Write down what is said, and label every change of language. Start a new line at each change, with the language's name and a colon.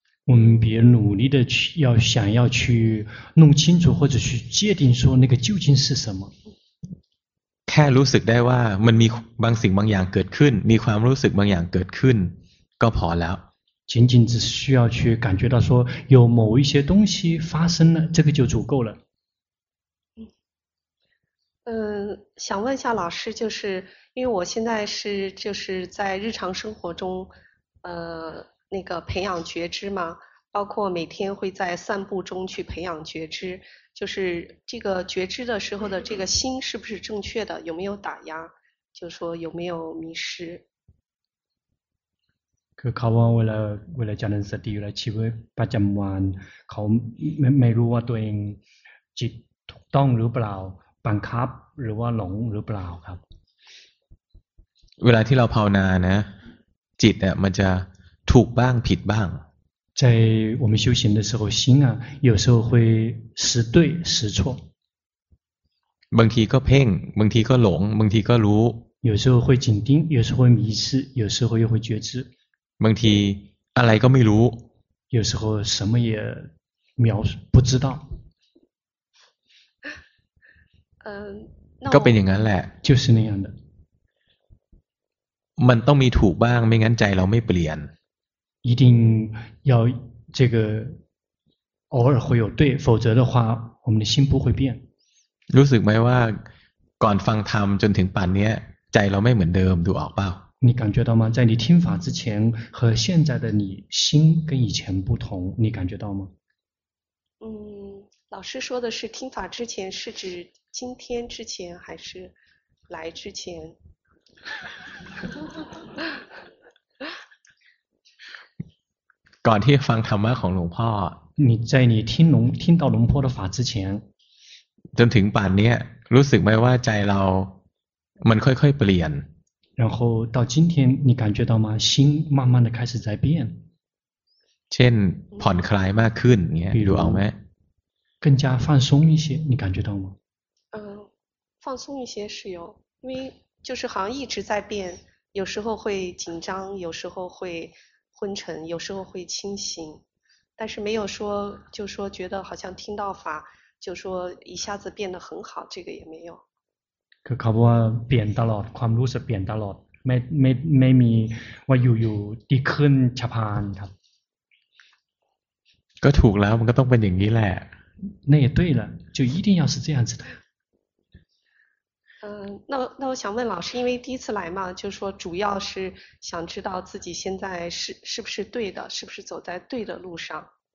Chinese: 我们别努力的去要想要去弄清楚或者去界定说那个究竟是什么
Thai: แค่รู้สึกได้ว่ามันมีบางสิ่งบางอย่างเกิดขึ้นมีความรู้สึกบางอย่างเกิดขึ้นก็พอแล้ว
Chinese: 仅仅只需要去感觉到说有某一些东西发生了这个就足够了想问一下老师，就是因为我现在是就是在日常生活中，那个培养觉知嘛，包括每天会在散步中去培养觉知，就是这个觉知的时候的这个心是不是正确的，有没有打压，就是说有没有迷失？
Thai: คือเขาว่าเวลาจะนั่งสติอยู่ในชีวิตประจำวันเขาไม่รู้ว่าตัวเองจิตถูกต้องหรือเปล่าบังคับหรือว่าหลงหรือเปล่าครับ เวลาที่เราภาวนานะจิตเนี่ยมันจะถูกบ้างผิดบ้าง
Chinese: 在我们修行的时候心啊有时候会时对时错
Thai: บางทีก็เพ่งบางทีก็หลงบางทีก็รู้
Chinese: 有时候会紧盯有时候会迷失有时候又会觉知
Thai: บางทีอะไรก็ไม่รู้
Chinese: 有时候什么也描述不知道
Thai: ก็เป็นอย่างนั้นแหละ
Chinese: 就是那样的
Thai: มันต้องมีถูกบ้างไม่งั้นใจเราไม่เปลี่ยน
Chinese: 一定要这个偶尔会有对否则的话我们的心不会变
Thai: รู้สึกไหมว่าก่อนฟังธรรมจนถึงป่านนี้ใจเราไม่เหมือนเดิมดูออกเปล่า
Chinese: 你感觉到吗在你听法之前和现在的你心跟以前不同你感觉到吗老师说的是听法之前是指今天之前还是来之前
Thai: ก่อนที่ฟังธรรมะของหลวงพ่อ
Chinese: 你在你听到龙坡的法之前
Thai: จนถึงป่านนี้รู้สึกไหมว่าใจเรามันค่อยๆเปลี่ยน
Chinese: 然后到今天你感觉到吗心慢慢的开始在变
Thai: เช่นผ่อนคลายมากขึ้นเงี้ยดูเอาไหม
Chinese: 更加放松一些你感觉到吗放松一些是有因为就是好像一直在变有时候会紧张有时候 会, 昏沉，有时候会清醒，但是没有说就说觉得好像听到法就说一下子变得很好，这个也没有。
Thai: คือเขาบอกว่าเปลี่ยนตลอดความรู้สึกเปลี่ยนตลอดไม่มีว่าอยู่ดีขึ้นฉับพลันครับ ก็ถูกแล้วมันก็ต้องเป็นอย่างนี้แหละ
Chinese: 那也对了，就一定要是这样子的。那我想问老师，因为第一次来嘛，就是说主要是想知道自己现在是不是对的，是不是走在对的路上。